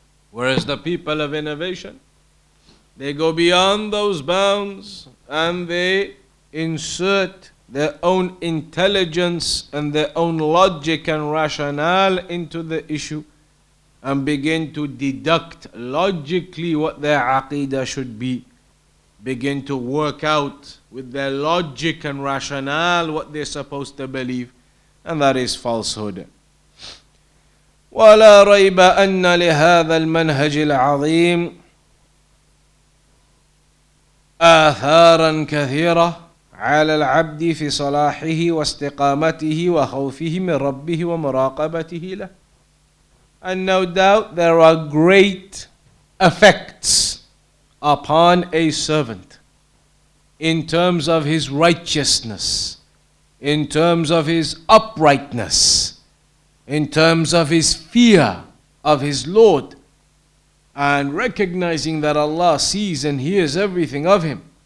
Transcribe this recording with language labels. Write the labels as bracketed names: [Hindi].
[English] whereas the people of innovation they go beyond those bounds and they insert their own intelligence and their own logic and rationale into the issue and begin to deduct logically what their aqidah should be, begin to work out with their logic and rationale what they're supposed to believe, and that is falsehood. [Arabic] وَلَا رَيْبَ أَنَّ لِهَذَا الْمَنْهَجِ الْعَظِيمِ آثَارًا كَثِيرًا على العبد في صلاحه واستقامته وخوفه من ربه ومراقبته له. [English] And no doubt there are great effects upon a servant in terms of his righteousness, in terms of his uprightness, in terms of his fear of his Lord, and recognizing that Allah sees and hears everything of him.